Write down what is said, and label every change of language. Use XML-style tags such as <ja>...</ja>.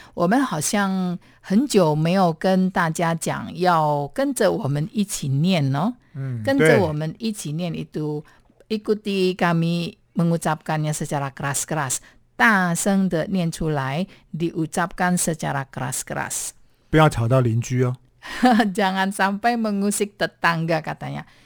<zh>我们好像很久没有跟大家讲要跟着我们一起念哦。跟着我们一起念</zh> <id>itu ikuti kami mengucapkannya secara keras-keras.</id> <zh>大声的念出来</zh> <id>diucapkan secara keras-keras.</id> <zh>不要吵到邻居哦。</zh> <id>Jangan sampai mengusik tetangga katanya.</id>